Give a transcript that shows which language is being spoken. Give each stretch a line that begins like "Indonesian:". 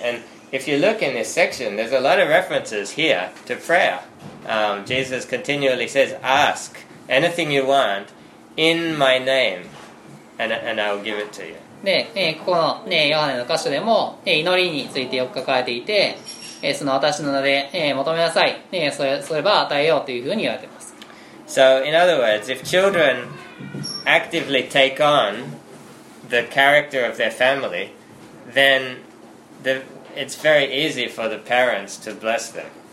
English: And if you look in this section, there's a lot of references here to prayer. Jesus continually says, ask anything you want in my name, and I will give it to you.
Japanese: で、ここの、ヨハネの箇所でも、祈りについてよく書かれていて、その私の名で、求めなさい、それば与えようというふうに言われています。
English: So, in other words, if children actively take on the character of their family, then it's very easy for the parents to bless them.